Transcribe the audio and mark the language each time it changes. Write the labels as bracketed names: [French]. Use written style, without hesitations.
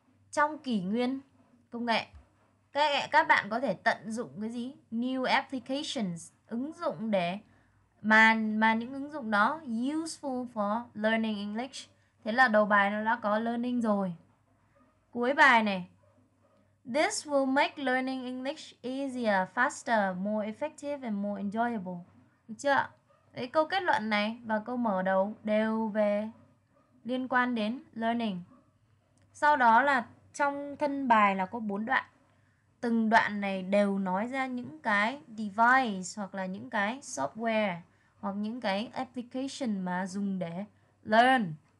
[Vietnamese] Trong kỷ nguyên công nghệ, các bạn có thể tận dụng cái gì? [English] New applications, [Vietnamese] ứng dụng để mà những ứng dụng đó [English] useful for learning English. [Vietnamese] Thế là đầu bài nó đã có learning rồi. Cuối bài này, [English] this will make learning English easier, faster, more effective and more enjoyable. [Vietnamese] Được chưa? Đấy, câu kết luận này và câu mở đầu đều về liên quan đến learning. Sau đó là trong thân bài là có 4 đoạn. Từng đoạn này đều nói ra những cái device hoặc là những cái software hoặc những cái application mà dùng để learn.